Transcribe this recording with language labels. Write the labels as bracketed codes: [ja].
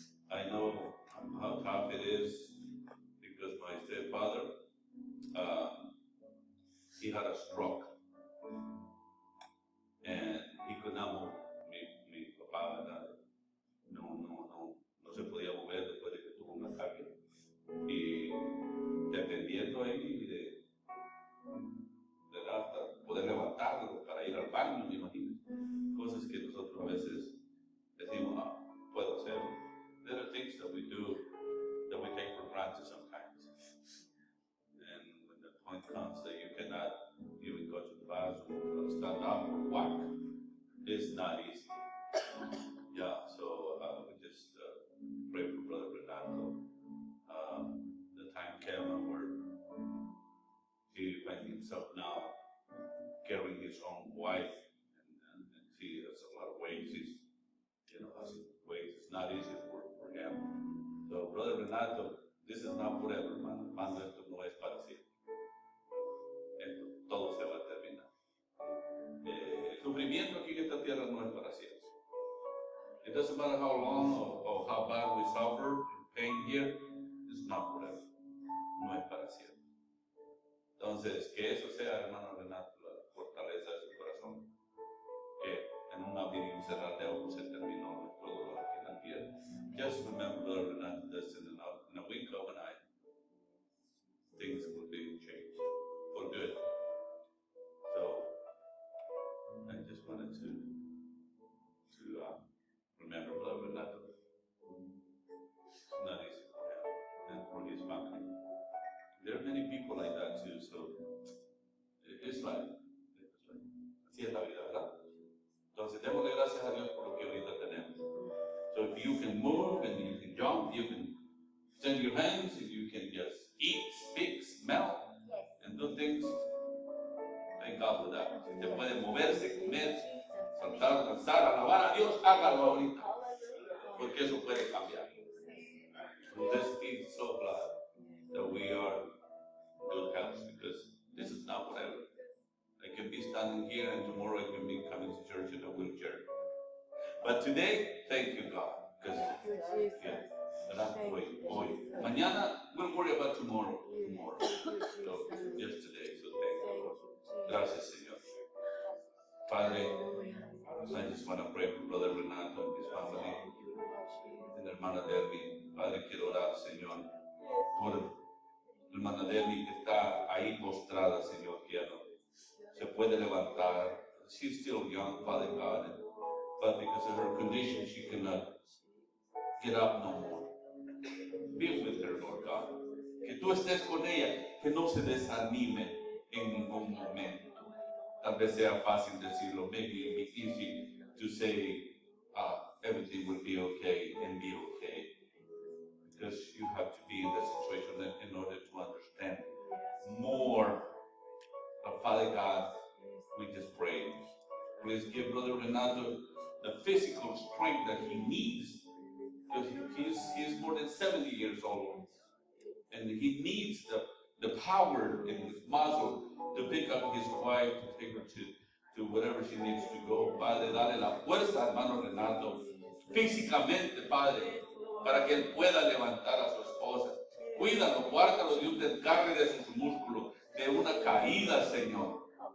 [en] I know how tough it is because my stepfather, he had a stroke and he could not move. [es] Mi papá no se podía mover después de que tuvo un ataque. Y dependiendo ahí de hasta poder levantarlo para ir al baño, me imagino. Cosas que nosotros a veces decimos, ah, puedo hacer. [en] There are things that we do that we take for granted sometimes. And when the point comes that you cannot even go to the bathroom or stand up or walk, it's not easy. Yeah, so we just pray for Brother Renato. The time came where he finds himself now carrying his own wife, and she has a lot of weight. She's, you know, has weight. It's not easy for him. So, Brother Renato, this is not forever, man. [es] Mando esto no es para siempre. Esto todo se va a terminar. El sufrimiento aquí en esta tierra no es para siempre. [en] It doesn't matter how long or how bad we suffer in pain here, it's not forever. [es] No es para siempre. Entonces, que eso sea, hermano Renato, la fortaleza de su corazón. Que en un abrir y cerrar de ojos se terminó nuestro dolor aquí en la tierra. [en] Just remember, Renato, that in a week of an eye, things will be changed for good. So, I just wanted to remember Brother Renato. Not easy for him and for his family. There are many people like that too, so it's like. [es] Así es la vida, ¿verdad? Entonces, démosle gracias a Dios por lo que ahorita tenemos. [en] So if you can move and you can jump, you can extend your hands, and you can just eat, speak, smell, and do things, thank God for that. [es] Si usted puede moverse, comer, saltar, danzar, alabar a Dios, hágalo ahorita. Porque eso puede cambiar. [en] So just be so glad that we are in good health, because this is not forever. I can be standing here and tomorrow I can be coming to church in a wheelchair. But today, thank you God. Because mañana, we'll worry about tomorrow. So, yesterday, so thank you Lord. [es] Gracias Señor. [en] Padre, I just want to pray for Brother Renato and his family. [es] And hermana Delvi, Padre, quiero orar Señor. Por hermana Delvi que está ahí postrada Señor, quiero. Se puede levantar. [en] She's still young, Father God, but because of her condition, she cannot get up no more. Be with her, Lord God. [es] Que tú estés con ella, que no se desanime en ningún momento. Tal vez sea fácil decirlo. [en] Maybe it'd be easy to say, everything will be okay and be okay. Because you have to be in the situation in order to understand more. But Father God, we just pray. Please give Brother Renato the physical strength that he needs. Because he is more than 70 years old. And he needs the power and his muscle to pick up his wife, to take her to whatever she needs to go. [es] Padre, dale la fuerza, hermano Renato, físicamente, Padre, para que él pueda levantar a su esposa. Cuídalo, guárdalo de un desgarre de sus músculos, de una caída, Señor.